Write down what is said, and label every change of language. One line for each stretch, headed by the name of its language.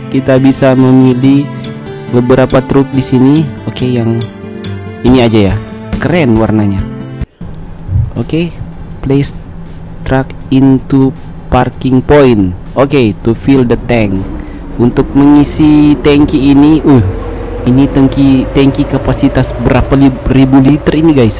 Indonesian: Kita bisa memilih beberapa truk di sini. Oke, yang ini aja ya. Keren warnanya.
English: Oke, place truck into parking point. Oke, to fill the tank.
Indonesian: Untuk mengisi tangki ini, ini tangki kapasitas berapa ribu liter ini, guys?